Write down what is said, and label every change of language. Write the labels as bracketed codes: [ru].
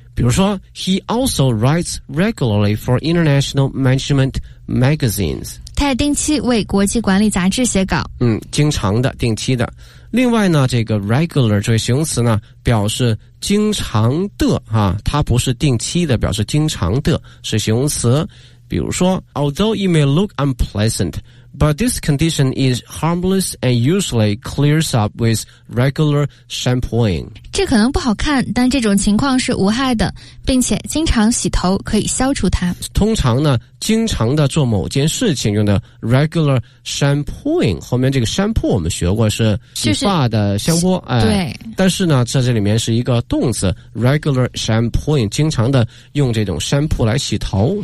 [zh] 比如说 [en] He also writes regularly for International Management Magazines， [zh] 他也定期为国际管理杂志写稿。经常的，定期的。另外呢这个 regular 这个形容词呢表示经常的啊，它不是定期的，表示经常的，是形容词。比如说 [en] although it may look unpleasant but this condition is harmless and usually clears up with regular shampooing， [zh] 这可能不好看，但这种情况是无害的，并且经常洗头可以消除它。通常呢经常的做某件事情用的 [en] regular shampooing， [zh] 后面这个 shampoo 我们学过是洗发的香波，对，但是呢在这里面是一个动词 [en] regular shampooing， [zh] 经常的用这种 shampoo 来洗头。